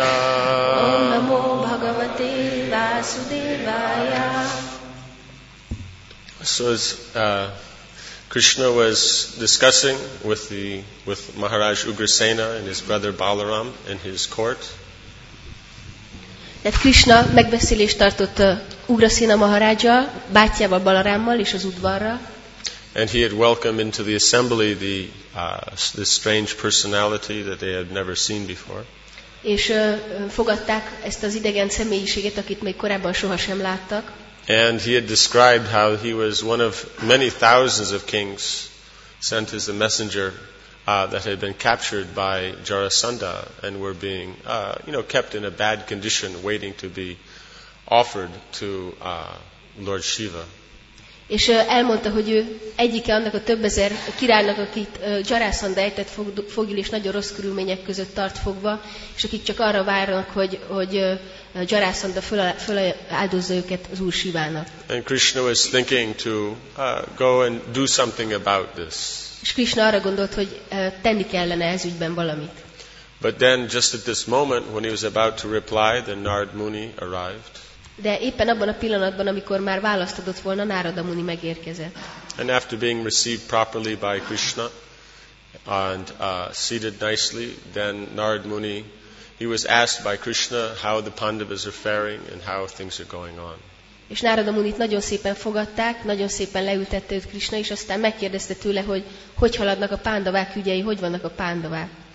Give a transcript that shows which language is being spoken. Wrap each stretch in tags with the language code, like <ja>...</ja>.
<sa>ॐ नमो भगवते वासुदेवाय</sa> <en>Krishna was discussing with Maharaj Ugrasena and his brother Balaram in his court.</en> <hu>Tehát Krishna megbeszélést tartott Ugrasena Maharaja, bátyjával Balarammal és az udvarra.</hu> <en>And he had welcomed into the assembly this strange personality that they had never seen before.</en> <hu>És fogadták ezt az idegen személyiséget, akit még korábban sohasem láttak.</hu> <en>And he had described how he was one of many thousands of kings sent as a messenger that had been captured by Jarasandha and were being kept in a bad condition waiting to be offered to Lord Shiva.</en> <hu>És elmondta, hogy ő egyike annak a több ezer királynak, akit Jarasandha ejtett fogil és nagyon rossz körülmények között tart fogva, és akik csak arra várnak, hogy Jarasandha föláldozza őket az Úr Sivának.</hu> <en>And Krishna was thinking to go and do something about this.</en> <hu>És Krishna arra gondolt, hogy tenni kellene ez ügyben valamit.</hu> <en>But then, just at this moment, when he was about to reply, then Narad Muni arrived.</en> <hu>De éppen abban a pillanatban, amikor már választ adott volna, Narada Muni megérkezett.</hu> <en>And after being received properly by Krishna and seated nicely, then Narad Muni, he was asked by Krishna how the Pandavas are faring and how things are going on.</en> <hu>És Narada Munit nagyon szépen fogadták, nagyon szépen leültette őt Krishna, és aztán megkérdezte tőle, hogy haladnak a Pandavák ügyei, hogy vannak a Pandavák.</hu>